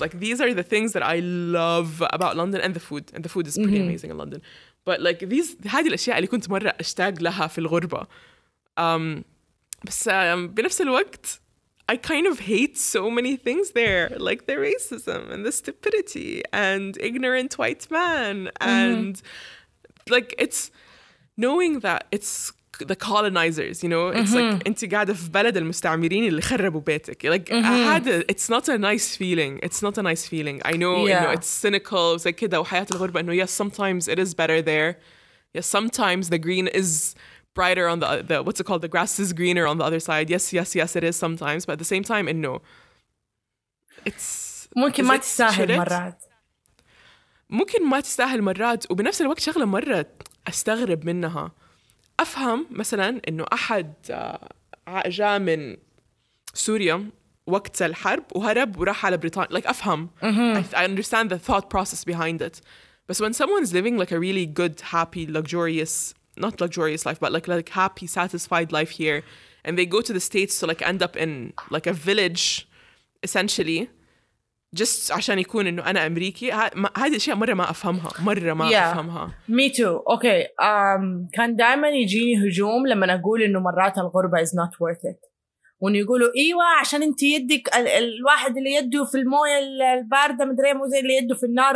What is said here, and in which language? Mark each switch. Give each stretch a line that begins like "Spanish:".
English: Like, these are the things that I love about London and the food. And the food is pretty mm-hmm. amazing in London. But like
Arabic: هذه الأشياء اللي كنت مرة أشتاق لها في الغربة. بنفس الوقت
English: I kind of hate so many things there, like the racism and the stupidity and ignorant white man and mm-hmm. like it's knowing that it's the colonizers, you know, it's mm-hmm.
Arabic: like أنت قاعدة في بلد المستعمرين اللي خربوا بيتك.
English: Like mm-hmm. It's not a nice feeling. I know, yeah. you know, it's cynical. It's like
Arabic: كده وحياة الغربة.
English: No, yes, sometimes it is better there. Yes, sometimes the green is brighter on the what's it called? The grass is greener on the other side. Yes, yes, yes, it is sometimes. But at the same time, and no, it's
Arabic: ممكن ما تستاهل مرات. ممكن ما تستاهل مرات. وبنفس الوقت شغلة مرة أستغرب منها. أفهم مثلاً إنه أحد جاء من سوريا وقت الحرب وهرب وراح على بريطانيا. Like أفهم.
English: Mm-hmm. I understand the thought process behind it. But when someone's living like a really good, happy, luxurious, not luxurious life, but like happy, satisfied life here, and they go to the States to like end up in like a village, essentially, just
Arabic: عشان يكون إنه أنا أمريكي. هذه الأشياء مرة ما أفهمها. مرة ما
English: yeah.
Arabic: أفهمها.
English: Me too. Okay.
Arabic: كان دائما يجيني هجوم لما أقول إنه مرات الغربة
English: is not worth it.
Arabic: وأن يقولوا إيوة عشان أنت يدك الواحد اللي يده في الموية الباردة مدري مو زي اللي يده في النار.